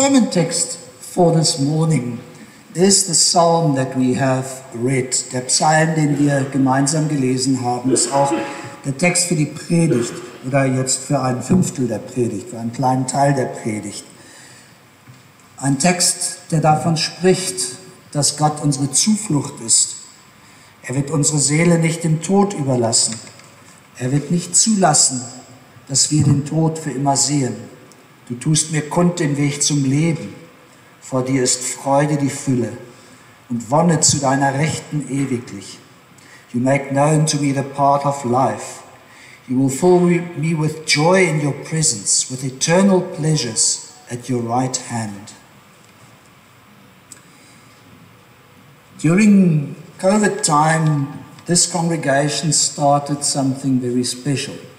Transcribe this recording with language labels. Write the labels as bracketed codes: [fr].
[en] Text for this morning is the psalm that we have read. [de] Der Psalm, den wir gemeinsam gelesen haben, ist auch der Text für die Predigt oder jetzt für ein Fünftel der Predigt, für einen kleinen Teil der Predigt. Ein Text, der davon spricht, dass Gott unsere Zuflucht ist. Er wird unsere Seele nicht dem Tod überlassen. Er wird nicht zulassen, dass wir den Tod für immer sehen. Du tust mir kund den Weg zum Leben. Vor dir ist Freude die Fülle und Wonne zu deiner Rechten ewiglich. [en] You make known to me the path of life. You will fill me with joy in your presence, with eternal pleasures at your right hand. During COVID time, this congregation started something very special.